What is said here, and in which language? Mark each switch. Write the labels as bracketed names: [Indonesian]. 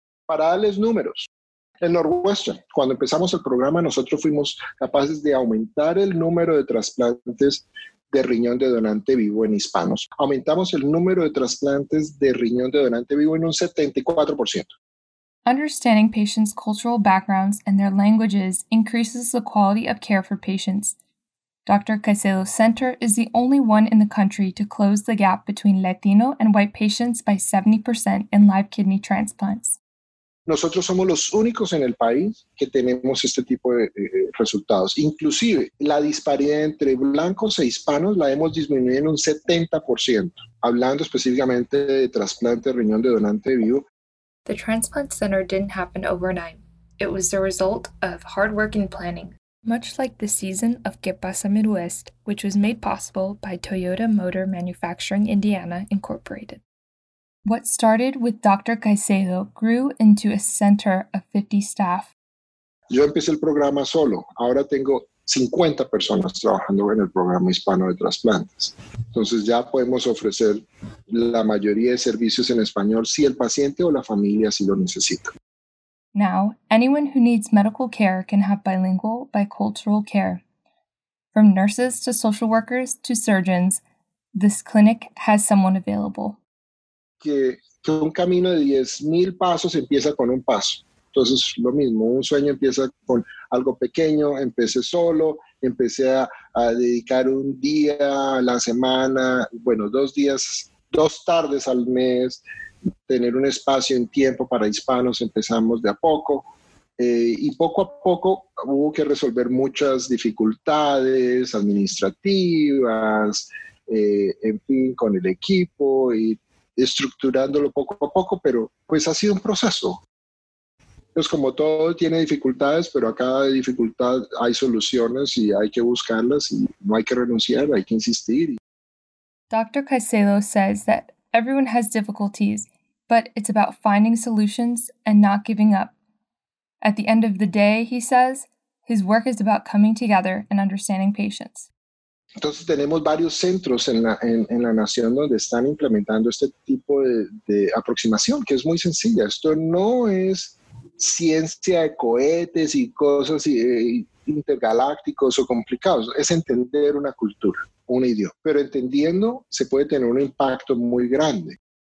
[Spanish] Para darles números, en Northwestern, cuando empezamos el programa, nosotros fuimos capaces de aumentar el número de trasplantes de riñón de donante vivo en hispanos. Aumentamos el número de trasplantes de riñón de donante vivo en un 74%. [English] Understanding patients' cultural backgrounds and their languages increases the quality of care for patients. Dr. Caicedo's center is the only one in the country to close the gap between Latino and white patients by 70% in live kidney transplants. [Spanish] Nosotros somos los únicos en el país que tenemos este tipo de resultados. Inclusive, la disparidad entre blancos e hispanos la hemos disminuido en un 70%, hablando específicamente de trasplante de riñón de donante vivo. [English] The transplant center didn't happen overnight. It was the result of hard work and planning. Much like the season of Que Pasa Midwest, which was made possible by Toyota Motor Manufacturing Indiana Incorporated. What started with Dr. Caicedo grew into a center of 50 staff. [Spanish] Yo empecé el programa solo. Ahora tengo 50 personas trabajando en el programa hispano de trasplantes. Entonces ya podemos ofrecer la mayoría de servicios en español si el paciente o la familia así lo necesita. [English] Now, anyone who needs medical care can have bilingual, bicultural care. From nurses to social workers to surgeons, this clinic has someone available. [Spanish] Que un camino de 10,000 pasos empieza con un paso. Entonces, lo mismo, un sueño empieza con algo pequeño, empecé solo, empecé a dedicar un día a la semana, bueno, dos días, dos tardes al mes, tener un espacio en tiempo para hispanos, empezamos de a poco. Y poco a poco hubo que resolver muchas dificultades administrativas, en fin, con el equipo y estructurándolo poco a poco, pero pues ha sido un proceso. Pues como todo tiene dificultades, pero a cada dificultad hay soluciones y hay que buscarlas y no hay que renunciar, hay que insistir. [English] Dr. Caicedo says that everyone has difficulties, but it's about finding solutions and not giving up. At the end of the day, he says, his work is about coming together and understanding patients. [Spanish] Entonces tenemos varios centros en la nación donde están implementando este tipo de aproximación, que es muy sencilla. Esto no es ciencia de cohetes y cosas intergalácticos o complicados. Es entender una cultura, un idioma. Pero entendiendo, se puede tener un impacto muy grande.